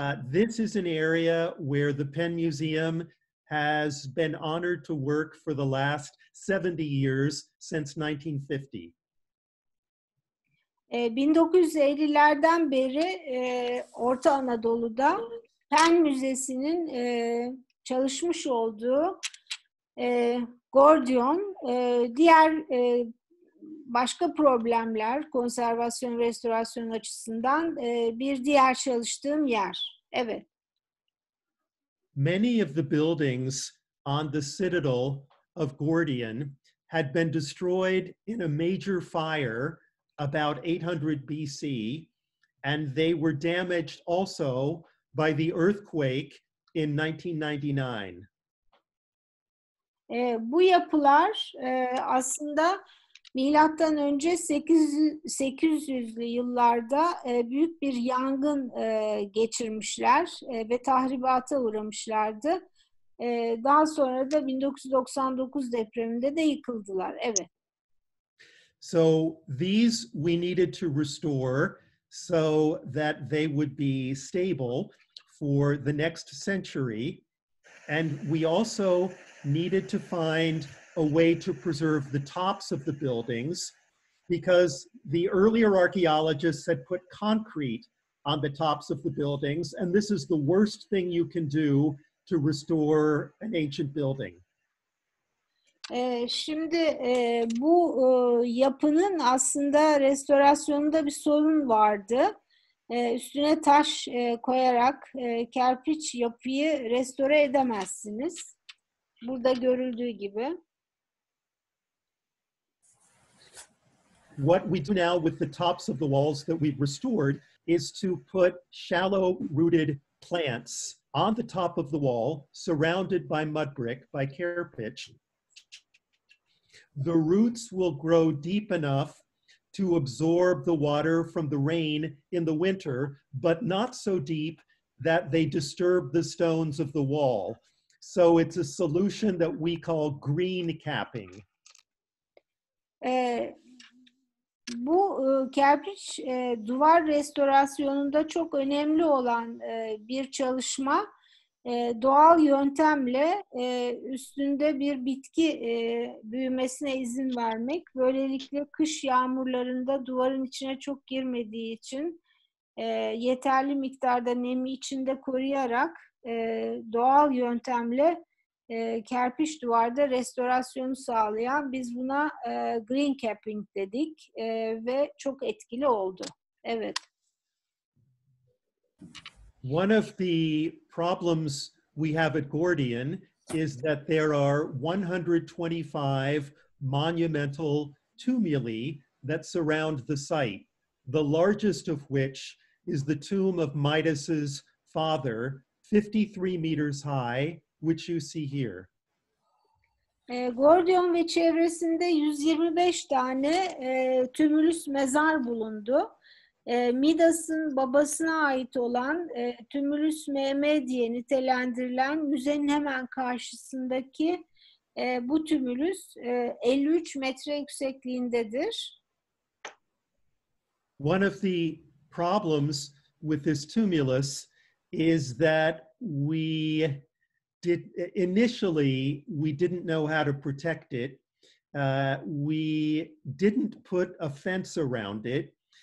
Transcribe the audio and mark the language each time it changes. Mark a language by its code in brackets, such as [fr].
[en] This is an area where the Penn Museum has been honored to work for the last 70 years since 1950. [tr] 1950'lerden beri Orta Anadolu'da Penn Müzesi'nin çalışmış olduğu Gordion diğer başka problemler konservasyon restorasyon açısından bir diğer çalıştığım yer. Evet. [en] Many of the buildings on the citadel of Gordian had been destroyed in a major fire about 800 BC, and they were damaged also by the earthquake in 1999. [tr] Bu yapılar aslında milattan önce 800'lü yıllarda büyük bir yangın geçirmişler ve tahribata uğramışlardı. Daha sonra da 1999 depreminde de yıkıldılar. Evet. [en] So these we needed to restore so that they would be stable for the next century. And we also needed to find a way to preserve the tops of the buildings because the earlier archaeologists had put concrete on the tops of the buildings. And this is the worst thing you can do to restore an ancient building. [tr] Şimdi bu yapının aslında restorasyonunda bir sorun vardı. Üstüne taş koyarak kerpiç yapıyı restore edemezsiniz. Burada görüldüğü gibi. [en] What we do now with the tops of the walls that we've restored is to put shallow rooted plants on the top of the wall surrounded by mud brick, by kerpiç. The roots will grow deep enough to absorb the water from the rain in the winter, but not so deep that they disturb the stones of the wall. So it's a solution that we call green capping. [tr] Bu kerpiç duvar restorasyonunda çok önemli olan bir çalışma. Doğal yöntemle üstünde bir bitki büyümesine izin vermek. Böylelikle kış yağmurlarında duvarın içine çok girmediği için yeterli miktarda nemi içinde koruyarak doğal yöntemle kerpiç duvarda restorasyonu sağlayan, biz buna green capping dedik ve çok etkili oldu. Evet. [en] One of the problems we have at Gordian is that there are 125 monumental tumuli that surround the site, the largest of which is the tomb of Midas's father, 53 meters high, which you see here. [tr] Gordian ve çevresinde 125 tane tümülüs mezar bulundu. Midas'ın babasına ait olan Tümülüs MM diye nitelendirilen müzenin hemen karşısındaki bu tümülüs 53 metre yüksekliğindedir. [en] One of the problems with this tumulus is that we didn't know how to protect it. We didn't put a fence around it.